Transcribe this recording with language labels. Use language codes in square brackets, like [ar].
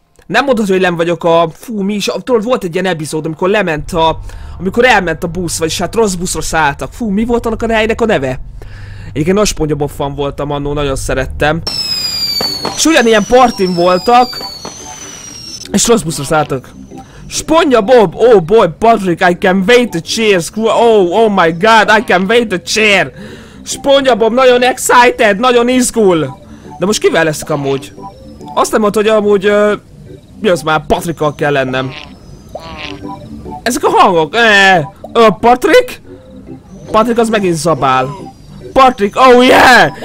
[hu] Nem mondod, hogy nem vagyok a... Fú, mi is? Tudod, volt egy ilyen epizód, amikor lement a... Amikor elment a busz, vagyis hát rossz buszra szálltak. Fú, mi volt annak a helynek a neve? Egyébként nagy SpongeBob fan voltam annó, nagyon szerettem. És ugyanilyen partim voltak. És rossz buszra szálltak. SpongeBob! [en] Oh boy, Patrick, I can wait the chair! Oh, oh my god, I can wait the chair! [hu] SpongeBob nagyon excited, nagyon izgul. De most kivel leszek amúgy? Azt nem mondta, hogy amúgy... mi az már? Patrickkal kell lennem. Ezek a hangok? Patrick? Patrick az megint zabál. Patrick, oh yeah!